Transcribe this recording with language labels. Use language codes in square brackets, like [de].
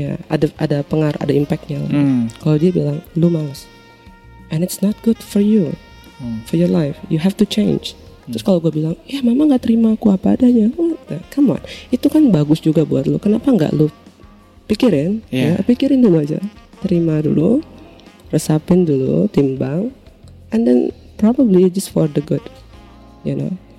[id] Ada pengaruh, ada impactnya lah. Kalau dia bilang lu malas, [en] and it's not good for you, for your life, you have to change. [id] Terus kalau gue bilang, ya mama gak terima aku apa adanya, [en] come on, [id] itu kan bagus juga buat lu. Kenapa gak lu pikirin? Pikirin dulu aja, terima dulu, resapin dulu, timbang, [en] and then probably just for the good, you know.